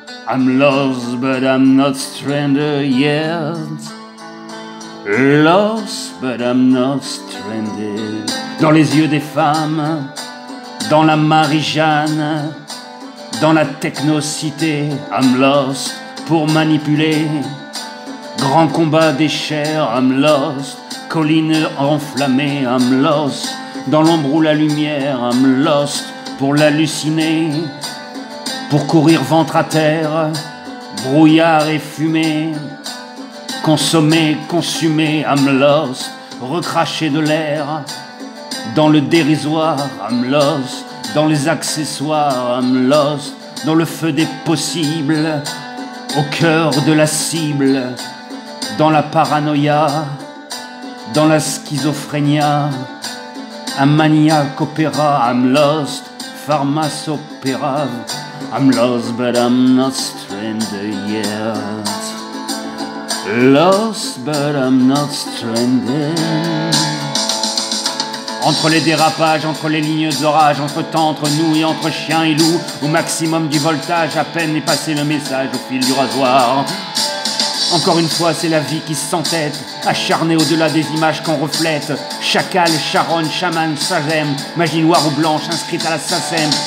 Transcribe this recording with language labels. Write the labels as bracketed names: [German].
[English] I'm lost, but I'm not stranded yet. Lost, but I'm not stranded. [French] Dans les yeux des femmes, dans la Marie-Jeanne, dans la technocité, [English] I'm lost, [French] pour manipuler. Grand combat des chairs, [English] I'm lost, [French] collines enflammées, I'm lost, dans l'ombre ou la lumière, I'm lost, pour l'halluciner. Pour courir ventre à terre, brouillard et fumée, consommer, consumer, [English] I'm lost, [French] recracher de l'air, dans le dérisoire, I'm lost, dans les accessoires, I'm lost, dans le feu des possibles, au cœur de la cible, dans la paranoïa, dans la schizophrénia, un maniaque opéra, I'm lost, pharmacopéra. [English] I'm lost, but I'm not stranded yet. Lost, but I'm not stranded. [French] Entre les dérapages, entre les lignes d'orage, entre temps, entre nous et entre chiens et loups, au maximum du voltage, à peine est passé le message au fil du rasoir. Encore une fois, c'est la vie qui s'entête, acharnée au-delà des images qu'on reflète. Chacal, charonne, chaman, sagem, magie noire ou blanche, inscrite à la SACEM.